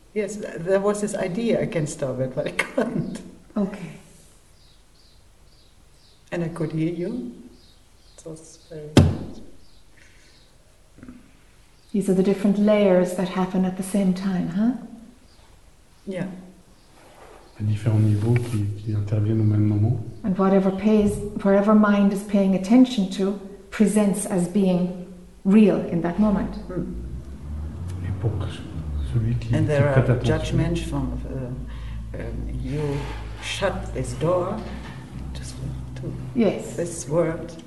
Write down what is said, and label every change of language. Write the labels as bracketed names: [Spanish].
[English] Yes, there was this idea I can stop it, but I couldn't. Okay. And I could hear you. It was very. These are the different layers that happen at the same time, huh? Yeah. [French] Les différents niveaux qui interviennent au même moment. [English] And whatever mind is paying attention to presents as being real in that moment. [French] Mm. Et pour celui qui [English] and there [French] qui [English] are judgments from you shut this door to this world.